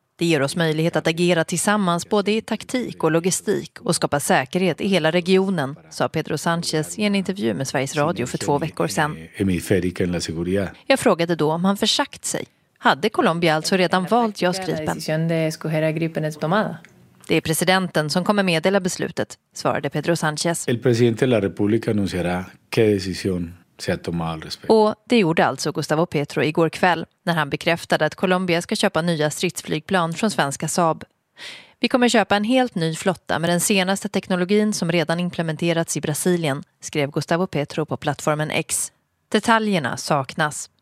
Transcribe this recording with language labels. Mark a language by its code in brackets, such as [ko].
[sv] Det ger oss möjlighet att agera tillsammans både i taktik och logistik och skapa säkerhet i hela regionen, sa Pedro Sanchez i en intervju med Sveriges Radio för 2 veckor sedan. Jag frågade då om han försagt sig. Hade Colombia alltså redan valt JAS Gripen? Det är presidenten som kommer meddela beslutet, svarade Pedro Sanchez. [es] El presidente de la República anunciará qué decisión. [sv] Och det gjorde alltså Gustavo Petro igår kväll när han bekräftade att Colombia ska köpa nya stridsflygplan från svenska Saab. Vi kommer köpa en helt ny flotta med den senaste teknologin som redan implementerats i Brasilien, skrev Gustavo Petro på plattformen X. Detaljerna saknas.